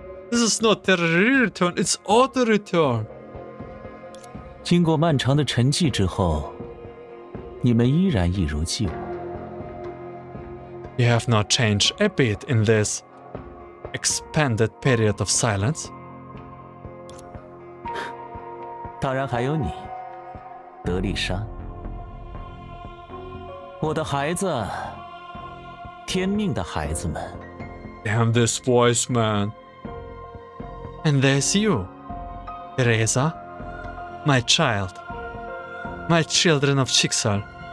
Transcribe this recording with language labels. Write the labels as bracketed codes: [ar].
[en] This is not a return, it's auto return. [zh] 经过漫长的沉寂之后，你们依然一如既往。 [en] You have not changed a bit in this expanded period of silence. [zh] 当然还有你，德丽莎。我的孩子，天命的孩子们。 [en] Damn this voice, man. And there's you, Teresa, my child, my children of Chicksal.